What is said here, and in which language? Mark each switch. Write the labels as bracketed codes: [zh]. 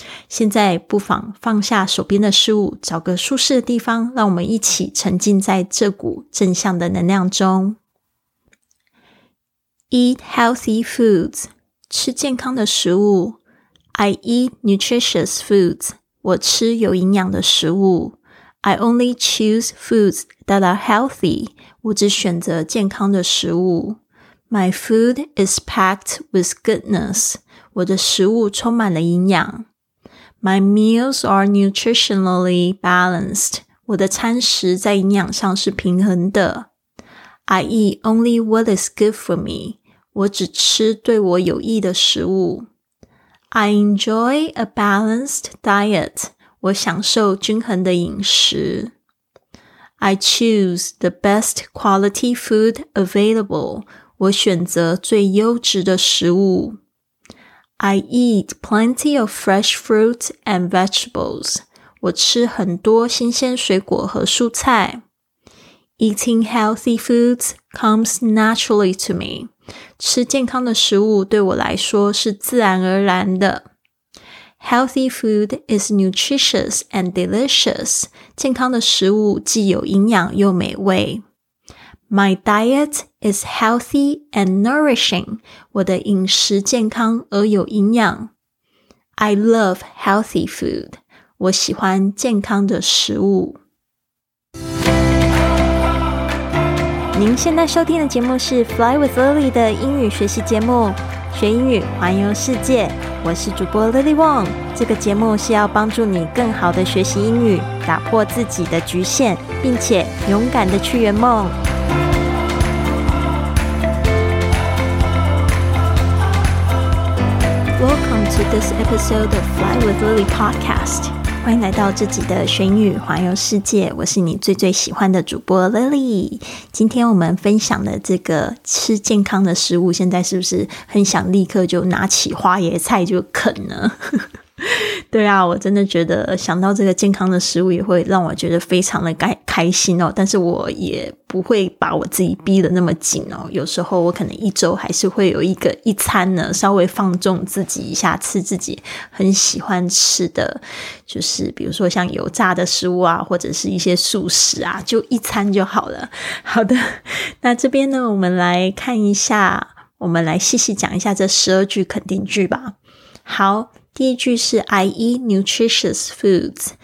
[zh] 现在不妨放下手边的事物，找个舒适的地方，让我们一起沉浸在这股正向的能量中。 [en] Eat healthy foods， [zh] 吃健康的食物。 [en] I eat nutritious foods， [zh] 我吃有营养的食物。 [en] I only choose foods that are healthy， [zh] 我只选择健康的食物。 [en] My food is packed with goodness， [zh] 我的食物充满了营养。 [en] My meals are nutritionally balanced. [zh] 我的餐食在营养上是平衡的。 [en] I eat only what is good for me. [zh] 我只吃对我有益的食物。 I enjoy a balanced diet. 我享受均衡的饮食。 [en] I choose the best quality food available. [zh] 我选择最优质的食物。 [en] I eat plenty of fresh fruit and vegetables. [zh] 我吃很多新鲜水果和蔬菜。 [en] Eating healthy foods comes naturally to me. [zh] 吃健康的食物对我来说是自然而然的。 [en] Healthy food is nutritious and delicious. [zh] 健康的食物既有营养又美味。 [en] My diet is healthy and nourishing. [zh] 我的饮食健康而有营养。 [en] I love healthy food. [zh] 我喜欢健康的食物。您现在收听的节目是 Fly with Lily 的英语学习节目，学英语环游世界。我是主播 Lily Wong。这个节目是要帮助你更好的学习英语，打破自己的局限，并且勇敢的去圆梦。 [en] Welcome to this episode of Fly with Lily podcast. [zh] 欢迎来到这集的学英语环游世界，我是你最最喜欢的主播 Lily。今天我们分享的这个吃健康的食物，现在是不是很想立刻就拿起花椰菜就啃呢？对啊，我真的觉得想到这个健康的食物也会让我觉得非常的开心哦，但是我也不会把我自己逼得那么紧哦，有时候我可能一周还是会有一餐呢，稍微放纵自己一下，吃自己很喜欢吃的，就是比如说像油炸的食物啊，或者是一些素食啊，就一餐就好了。好的，那这边呢，我们来看一下，我们来细细讲一下这12句肯定句吧。好，第一句是 [en] I eat nutritious foods。